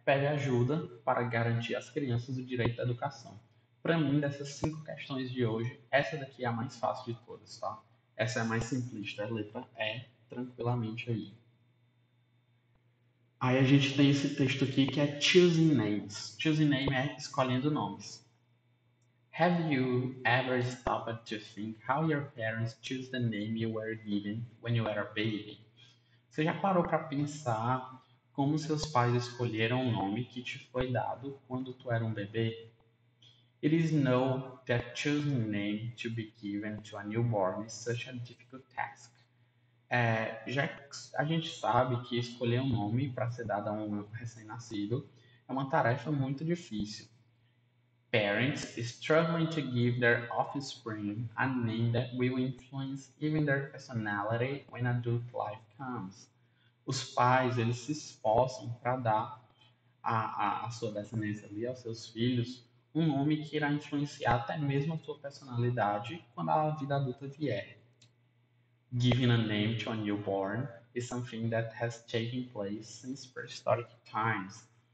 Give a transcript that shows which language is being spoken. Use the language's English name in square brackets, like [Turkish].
[Portuguese] Pede ajuda para garantir às crianças o direito à educação. Para mim, dessas cinco questões de hoje, essa daqui é a mais fácil de todas, tá? Essa é a mais simplista, é letra E, tranquilamente aí. Aí a gente tem esse texto aqui que é Choosing Names. Choosing Names é escolhendo nomes. [English] Have you ever stopped to think how your parents choose the name you were given when you were a baby? [Portuguese] Você já parou para pensar como seus pais escolheram o nome que te foi dado quando tu era um bebê? [English] It is known that choosing name to be given to a newborn is such a difficult task. [Portuguese] Já a gente sabe que escolher um nome para ser dado a um recém-nascido é uma tarefa muito difícil. [English] Parents struggling to give their offspring a name that will influence even their personality when adult life comes. [Portuguese] Os pais, eles se esforçam para dar a sua descendência ali, aos seus filhos, um nome que irá influenciar até mesmo a sua personalidade quando a vida adulta vier. [English] Giving a name to a newborn is something that has taken place since prehistoric times.